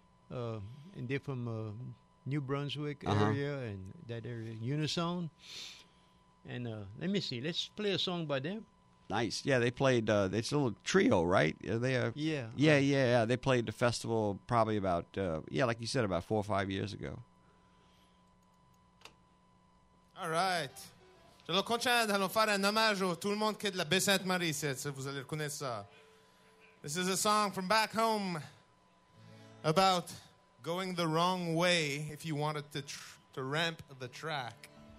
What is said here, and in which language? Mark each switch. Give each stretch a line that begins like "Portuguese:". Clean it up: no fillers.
English: And they're from New Brunswick area and that area, Unison. And let me see. Let's play a song by them. Nice. Yeah, they played. It's a little trio, right? Are they Yeah. They played the festival probably about, like you said, about 4 or 5 years ago. All right.
French: Je suis content d'aller faire un hommage à tout le monde qui est de la Baie Sainte-Marie, si vous allez reconnaître ça.
English: This is a song from back home about going the wrong way if you wanted to ramp the track.